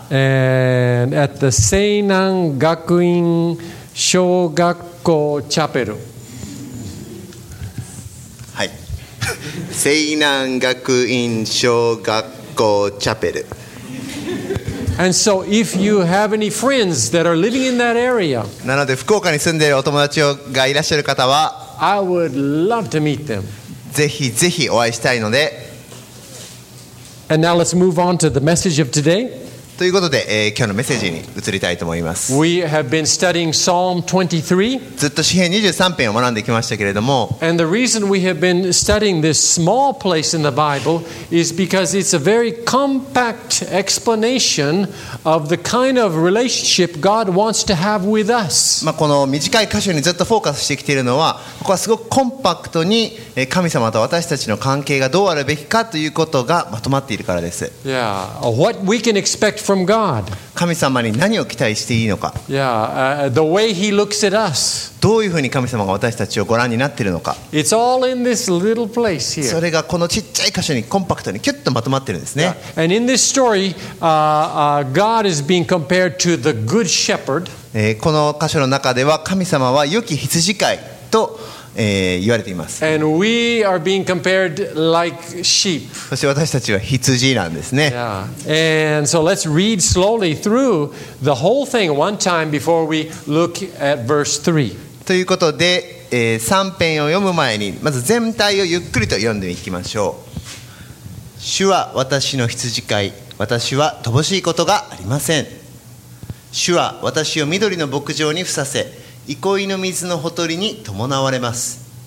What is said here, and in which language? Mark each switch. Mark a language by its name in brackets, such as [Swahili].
[English] And at the Seinan Gakuin Shogakko Chapel. [Japanese] はい。Seinan Gakuin Shogakko Chapel. [English] And so, if you have any friends that are living in that area, [Japanese] なので福岡に住んでいるお友達がいらっしゃる方は、 [English] I would love to meet them. [Japanese] ぜひぜひお会いしたいので。 [English] And now let's move on to the message of today. [Japanese] ということで、今日のメッセージに移りたいと思います。 [English] We have been studying Psalm 23. [Japanese] ずっと詩編23編を学んできましたけれども。 [English] And the reason we have been studying this small place in the Bible is because it's a very compact explanation of the kind of relationship God wants to have with us. [Japanese] まあこの短い箇所にずっとフォーカスしてきているのは、ここはすごくコンパクトに神様と私たちの関係がどうあるべきかということがまとまっているからです。 [English] Yeah, what we can expect. From God. [Japanese] 神様に何を期待していいのか。 [English] Yeah, the way he looks at us. [Japanese] どういうふうに神様が私たちをご覧になっているのか。 [English] It's all in this little place here. [Japanese] それがこのちっちゃい箇所にコンパクトにキュッとまとまっているんですね。 [English] Yeah. And in this story, God is being compared to the good shepherd. [Japanese] この箇所の中では神様は良き羊飼いと言われています。 [English] And we are being compared like sheep. [Japanese] そして私たちは羊なんですね。 [English] Yeah. And so let's read slowly through the whole thing one time before we look at verse 3. [Japanese] ということで、3編を読む前にまず全体をゆっくりと読んでいきましょう。主は私の羊飼い、私は乏しいことがありません。主は私を緑の牧場にふさせ、憩いの水のほとりに伴われます。